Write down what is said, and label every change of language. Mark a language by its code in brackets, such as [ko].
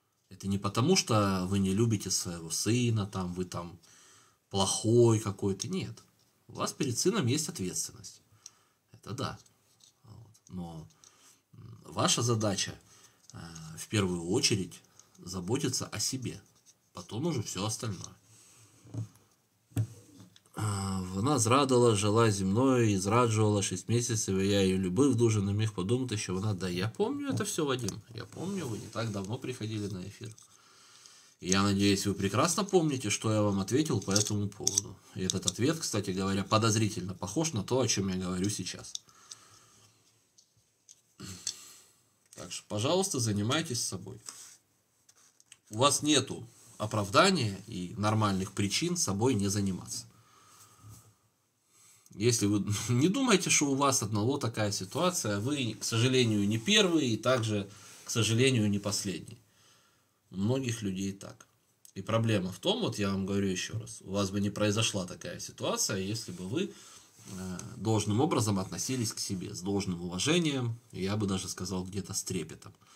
[ru] Это не потому, что вы не любите своего сына, там, вы там плохой какой-то. Нет. У вас перед сыном есть ответственность. Это да. Но ваша задача в первую очередь заботиться о себе. Потом уже все остальное. [uk] Вона зрадила, жила зі мною і зраджувала 6 місяців, і я її любив, дуже не міг подумати, що вона... [ru] Да, я помню [uk] це все, Вадим, я помню, ви не так давно приходили на ефір. Я надіюсь, ви [ru] прекрасно помните, [uk] що я вам [ru] ответил [uk] по цьому поводу. [ru] І цей ответ, кстати говоря, подозрительно похож на то, [uk] о чому [ru] я говорю сейчас. Так що, пожалуйста, займайтесь собой. У вас нету оправдання і нормальних причин собой не займатися. Если вы не думаете, что у вас одного такая ситуация, вы, к сожалению, не первый и также, к сожалению, не последний. У многих людей так. И проблема в том, вот я вам говорю еще раз, у вас бы не произошла такая ситуация, если бы вы должным образом относились к себе, с должным уважением, я бы даже сказал, где-то с трепетом.